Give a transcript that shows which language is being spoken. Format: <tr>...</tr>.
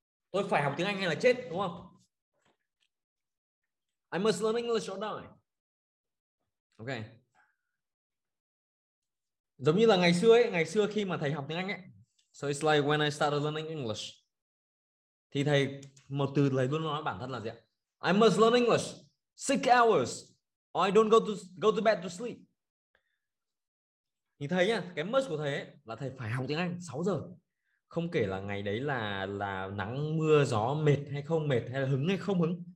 <vi>Tôi phải học tiếng Anh hay là chết, đúng không?</vi> <en>I must learn English or die. Okay.</en> <vi>Giống như là ngày xưa khi mà thầy học tiếng Anh ấy.</vi> <en>So it's like when I started learning English.</en> <vi>Thì thầy một từ lấy luôn nói bản thân là gì ạ?</vi> <en>I must learn English 6 hours or I don't go to bed to sleep.</en> <vi>Thì thầy nhá, cái must của thầy ấy, là thầy phải học tiếng Anh 6 giờ. Không kể là ngày đấy là nắng, mưa, gió, mệt hay không mệt, hay là hứng hay không hứng.</vi>